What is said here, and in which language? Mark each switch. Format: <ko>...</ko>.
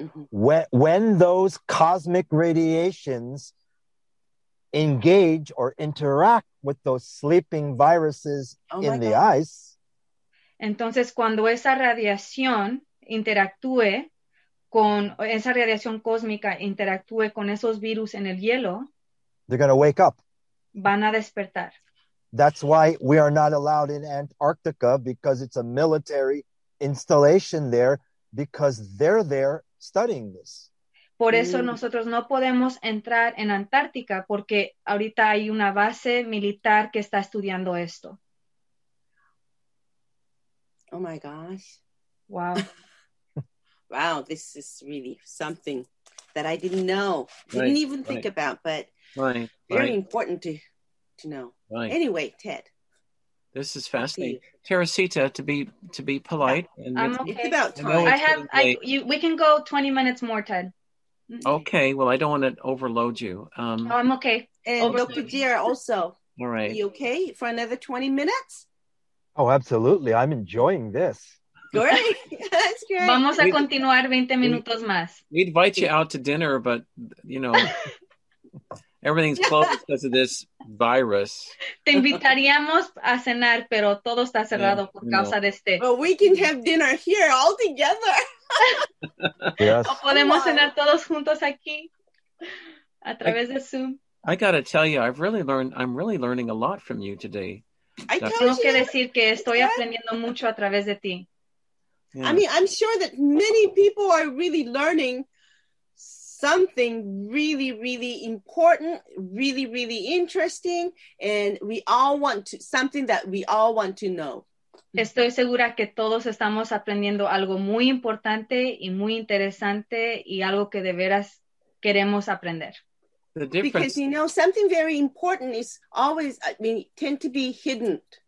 <en>When those cosmic radiations engage or interact with those sleeping viruses oh in the God. Ice.</en> <es>Entonces cuando esa radiación interactúe con esa radiación cósmica interactúe con esos virus en el hielo,</es> <en>they're going to wake up.</en> <es>Van a despertar.</es> <en>That's why we are not allowed in Antarctica because it's a military installation there because they're there studying this.</en> <es>Por eso nosotros no podemos entrar en Antártica porque ahorita hay una base militar que está estudiando esto.</es> <en>Oh my gosh. Wow. Wow, this is really something that I didn't know. Didn't right, even think right. about, but right, very right. important to know. Right. Anyway, Ted. This is fascinating. Teresita, to be polite. And I'm okay. It's about time. We can go 20 minutes more, Ted. Okay, well, I don't want to overload you. Oh, I'm okay. And Dr. Deer also. All right. Are you okay for another 20 minutes? Oh, absolutely. I'm enjoying this. Great. That's great.</en> <es>Vamos a continuar 20 minutos más.</es> <en>We invite you out to dinner, but you know, everything's closed because of this virus.</en> <es>Te invitaríamos a cenar, pero todo está cerrado yeah, por causa know. De este.</es> <en>But we can have dinner here all together. Yes.</en> <es>O podemos cenar todos juntos aquí a través de Zoom.</es> <en>I gotta tell you, I'm really learning a lot from you today. I</en> <es>tengo</es> <en>you.</en> <es>Que decir que estoy yeah. aprendiendo mucho a través de ti.</es> <en>Yeah. I mean, I'm sure that many people are really learning something really, really important, really, really interesting, and we all want to, something that we all want to know.</en> <es>Estoy segura que todos estamos aprendiendo algo muy importante y muy interesante y algo que de veras queremos aprender.</es> <en>The difference. Because, you know, something very important is always, I mean, tend to be hidden.</en>